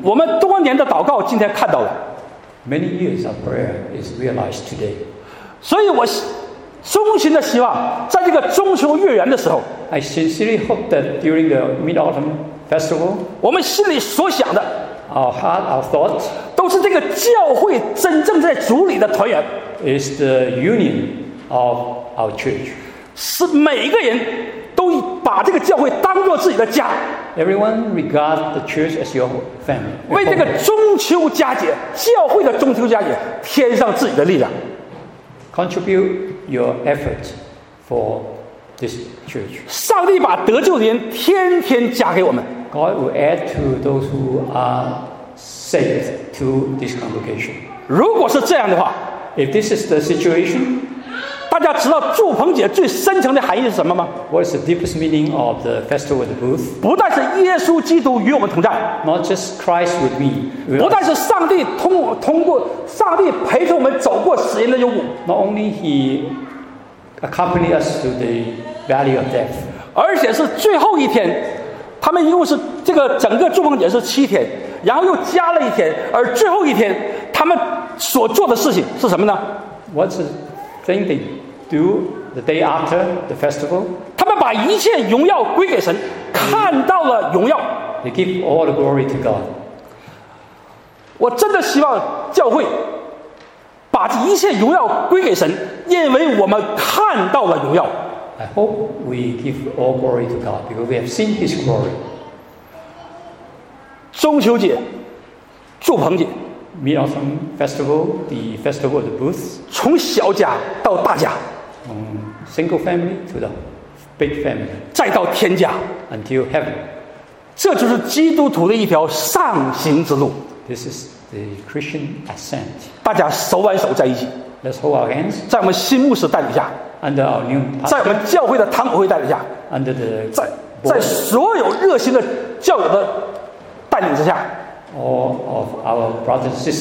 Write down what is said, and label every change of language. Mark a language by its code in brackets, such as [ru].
[zh] 我们多年的祷告今天看到了。 [en] Many years of prayer is realized today. [zh] 所以我衷心的希望，在这个中秋月圆的时候 [en] ，I sincerely hope that during the Mid-Autumn Festival, [zh] 我们心里所想的 [en] ，our heart, our thoughts, [zh] 都是这个教会真正在主里的团圆。 [en] Is the union of our church. [zh] 是每个人。都把这个教会当作自己的家。 [en] Everyone regards the church as your family. [zh] 为这个中秋佳节，教会的中秋佳节，添上自己的力量。 [en] Contribute your effort for this church. [zh] 上帝把得救的人天天加给我们。 [en] God will add to those who are saved to this congregation. [zh] 如果是这样的话 [en] ，If this is the situation. [zh] 大家知道祝棚节最深层的含义是什么吗 [en] ？What is the deepest meaning of the festival of the booth？ [zh] 不但是耶稣基督与我们同在 [en] ，Not just Christ with me。 [zh] 不但是上帝通过上帝陪着我们走过死荫的幽谷 [en] ，Not only He accompanied us to the valley of death。 [zh] 而且是最后一天，他们一共是这个整个祝棚节是七天，然后又加了一天，而最后一天他们所做的事情是什么呢 [en] ？What's thing they do the day after the festival. [zh] 他们把一切荣耀归给神，看到了荣耀。 [en] They give all the glory to God. [zh] 我真的希望教会把一切荣耀归给神，因为我们看到了荣耀。 [en] I hope we give all glory to God because we have seen His glory. [zh] 中秋节，祝棚节。 [en] Mid-Autumn Festival, the Festival of the Booths. [zh] 从小家到大家 [en] Single family to the big family. [zh] 再到天家 [en] Until heaven. [zh] 这就是基督徒的一条上行之路 [en] This is the Christian ascent. [zh] 大家手挽手在一起 [en] Let's hold our hands. [zh] 在我们新牧师带领下 [en] Under our new pastor. [zh] 在我们教会的堂口会带领下 [en] Under the [zh] 在所有热心的教友的带领之下 [en] All of our brothers and sisters.